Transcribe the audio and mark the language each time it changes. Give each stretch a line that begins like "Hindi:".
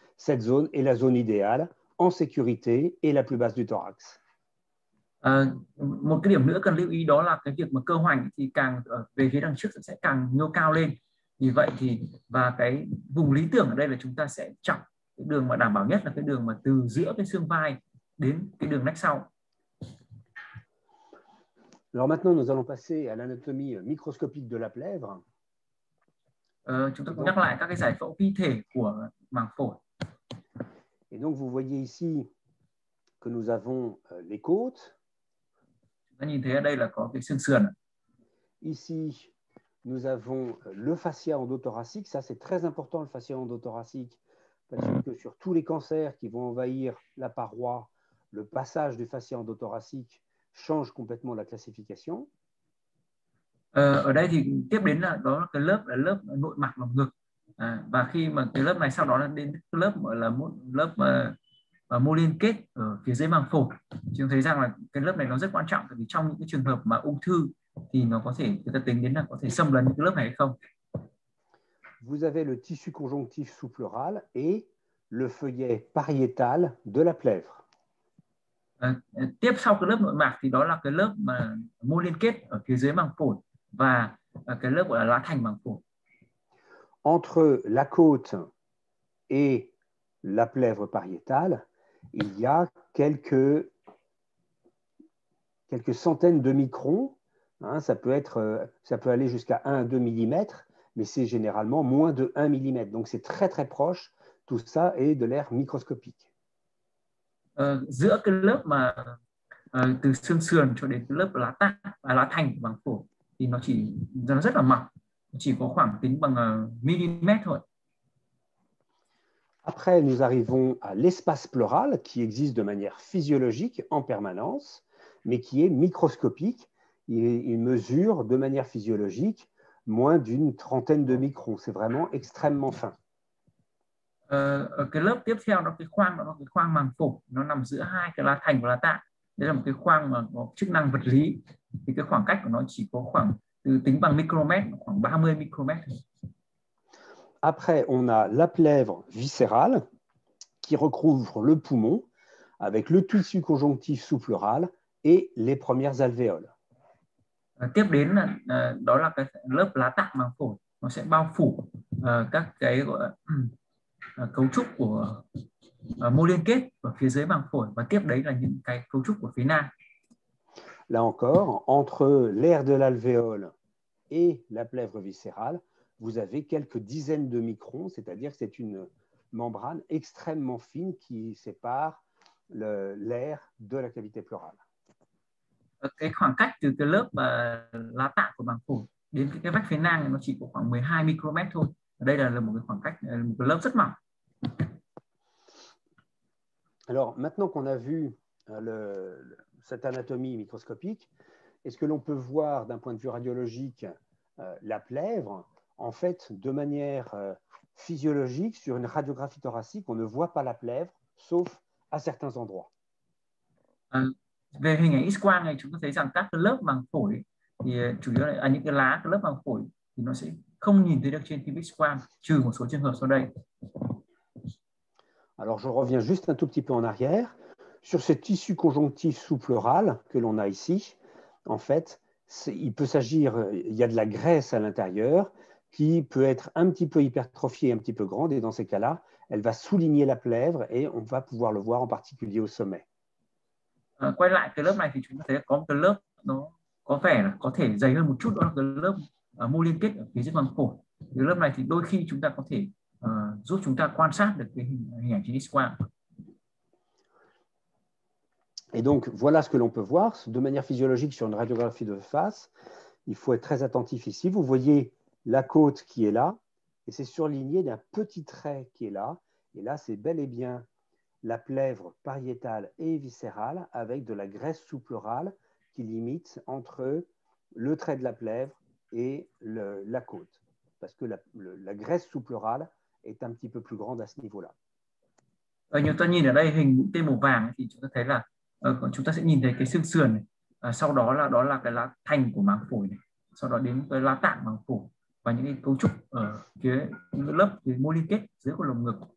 French: Cette zone est la zone idéale en sécurité et la plus basse du thorax.
Vietnamese: Một cái điểm nữa cần lưu ý đó là cái việc mà cơ hoành thì càng về phía đằng trước sẽ càng nhô cao lên. Vì vậy thì và cái vùng lý tưởng ở đây là chúng ta sẽ chọc cái đường mà đảm bảo nhất là cái đường mà từ giữa cái xương vai đến cái đường nách sau.
French: Alors maintenant, nous allons passer à l'anatomie microscopique de la plèvre.
Vietnamese: Chúng ta
French: Et
Vietnamese: cũng nhắc
French: donc,
Vietnamese: lại các cái giải phẫu vi thể của màng phổi.
French: vous voyez ici que nous avons les côtes.
Vietnamese: Ta nhìn thấy ở đây là có cái xương sườn.
French: Ici, nous avons le fascia endothoracique. Ça, c'est très important, le fascia endothoracique, parce que sur tous les cancers qui vont envahir la paroi, le passage du fascia endothoracique change complètement la classification.
Vietnamese: Ở đây thì tiếp đến là đó là lớp nội mạc lồng ngực à, và khi mà cái lớp này sau đó là đến lớp gọi là lớp mô liên kết ở phía dưới màng phổi. Chúng thấy rằng là cái lớp này nó rất quan trọng vì trong những cái trường hợp mà ung thư thì nó có thể người ta tính đến là có thể xâm lấn những cái lớp này hay không.
French: Vous avez le tissu conjonctif sous-pleural et le feuillet pariétal de la plèvre.
Vietnamese: Tiếp sau cái lớp nội mạc thì đó là cái lớp mà mô liên kết ở phía dưới màng phổi và cái lớp gọi là lá thành màng phổi.
French: Entre la côte et la plèvre pariétale, il y a quelques centaines de microns. Hein, ça peut aller jusqu'à 1 à 2 mm, mais c'est généralement moins de 1 mm. Donc c'est très très proche. Tout ça est de l'aire microscopique.
Vietnamese: Giữa cái lớp mà từ xương sườn cho đến cái lớp lá tạ và lá thành của màng phổi thì nó rất là mỏng, chỉ có khoảng tính bằng mm thôi.
French: Après, nous arrivons à l'espace pleural qui existe de manière physiologique en permanence, mais qui est microscopique. Il mesure de manière physiologique moins d'une trentaine de microns. C'est vraiment extrêmement fin.
Vietnamese: Ở cái lớp tiếp theo đó, cái khoang màng phổi nó nằm giữa hai cái lá thành và lá tạ. Đây là một cái khoang mà có chức năng vật lý thì cái khoảng cách của nó chỉ có khoảng từ tính bằng micromètre khoảng 30 micromètre thôi.
French: Après, on a la plèvre viscérale qui recouvre le poumon avec le tissu conjonctif sous-pleural et les premières alvéoles.
Vietnamese: Tiếp đến là đó là cái lớp lá tạ màng phổi, nó sẽ bao phủ các cái gọi cấu trúc của mô liên kết ở phía dưới màng phổi và tiếp đấy là những cái cấu trúc của phía nang.
French: Là encore, entre l'aire de l'alvéole et la plèvre viscérale, vous avez quelques dizaines de microns, c'est-à-dire que c'est une membrane extrêmement fine qui sépare l'air de la cavité pleurale.
Vietnamese: Cái khoảng cách từ cái lớp lá tạ của màng phổi đến cái vách phế nang nó chỉ có khoảng 12 micromet thôi. Đây là một cái khoảng cách, một cái lớp rất mỏng.
French: Alors, maintenant qu'on a vu cette anatomie microscopique, est-ce que l'on peut voir d'un point de vue radiologique la plèvre? En fait, de manière physiologique, sur une radiographie thoracique, on ne voit pas la plèvre, sauf à certains endroits.
Vietnamese: Về hình ảnh X-quang này chúng ta thấy rằng các cái lớp màng phổi thì chủ yếu là những cái lá cái lớp màng phổi thì nó sẽ không nhìn thấy được trên phim X-quang trừ một số trường hợp sau đây.
French: Alors, je reviens juste un tout petit peu en arrière. Sur ce tissu conjonctif sous-pleural que l'on a ici, en fait, il y a de la graisse à l'intérieur qui peut être un petit peu hypertrophiée, un petit peu grande, et dans ces cas-là, elle va souligner la plèvre et on va pouvoir le voir en particulier au sommet.
Vietnamese: Quay lại cái lớp này thì chúng ta thấy có một cái lớp nó có vẻ là có thể dày hơn một chút, đó là cái lớp mô liên kết ở phía dưới màng phổi. Cái lớp này thì đôi khi chúng ta có thể giúp chúng ta quan sát được cái hình ảnh trên X-quang.
French: Et donc, voilà ce que l'on peut voir de manière physiologique sur une radiographie de face. Il faut être très attentif ici. Vous voyez la côte qui est là, et c'est surligné d'un petit trait qui est là. Et là, c'est bel et bien la plèvre pariétale et viscérale avec de la graisse sous-pleurale qui limite entre le trait de la plèvre et la côte. Parce que la graisse sous-pleurale est un petit peu plus grande à ce niveau-là.
Vietnamese: Nhưng ta nhìn ở đây hình mũi tên màu vàng thì chúng ta thấy là chúng ta sẽ nhìn thấy cái xương sườn này, sau đó là cái lá thành của màng phổi này, sau đó đến cái lá tạng màng phổi và những cái cấu trúc ở phía lớp cái mô liên kết dưới của lồng ngực.